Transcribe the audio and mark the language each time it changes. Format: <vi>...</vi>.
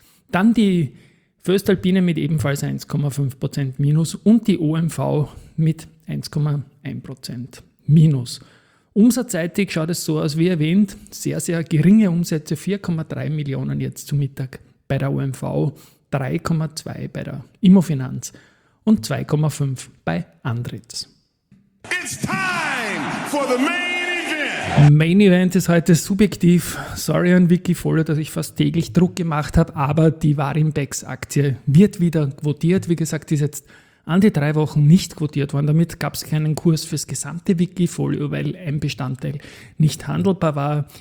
<de>Dann die Voestalpine mit ebenfalls 1,5% minus und die OMV mit 1,1% minus. Umsatzseitig schaut es so aus, wie erwähnt, sehr, sehr geringe Umsätze, 4,3 Millionen jetzt zu Mittag bei der OMV. 3,2 bei der Immofinanz und 2,5 bei Andritz.</de> <en>It's time for the Main Event!</en> <de>Main Event ist heute subjektiv. Sorry an Wikifolio, dass ich fast täglich Druck gemacht habe, aber die Varimbex-Aktie wird wieder quotiert. Wie gesagt, die ist jetzt an die 3 Wochen nicht quotiert worden. Damit gab es keinen Kurs fürs gesamte Wikifolio, weil ein Bestandteil nicht handelbar war.</de>